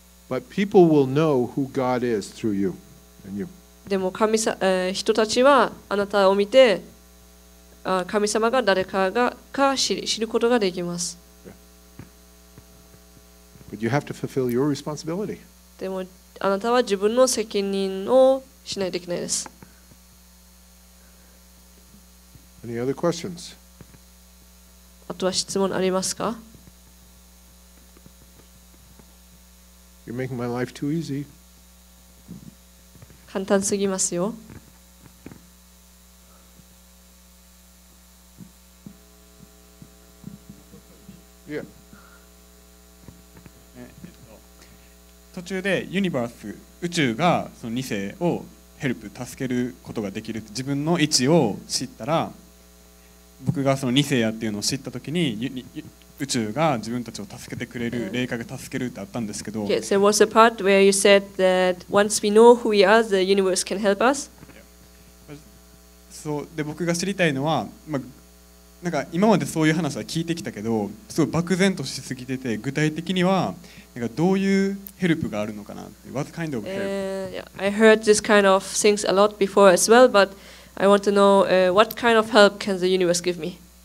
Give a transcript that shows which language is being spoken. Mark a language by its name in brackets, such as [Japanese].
[English] But people will know who God is through you and you. [Japanese] でも神さ、人たちはあなたを見て。神様が誰かがか知ることができます。 [English] But you have to fulfill your responsibility. [Japanese] でもあなたは自分の責任をしないといけないです。 [English] Any other questions? [Japanese] あとは質問ありますか？ [English] You're making my life too easy. [Japanese] 簡単すぎますよ。途中でユニバース宇宙がその2世をヘルプ助けることができる自分の位置を知ったら僕がその2世やっていうのを知った時に宇宙が自分たちを助けてくれる霊界が助けるってあったんですけど、 [English] okay, so what's the part where you said that once we know who we are the universe can help us? [Japanese] そうで僕が知りたいのは、まあなんか今までそういう話は聞いてきたけど、すごい漠然としすぎてて、具体的にはなんかどういうヘルプがあるのかな ？ [English] What kind of help? I heard this kind of things a lot before as well, but I want to know what kind of help can the universe give me?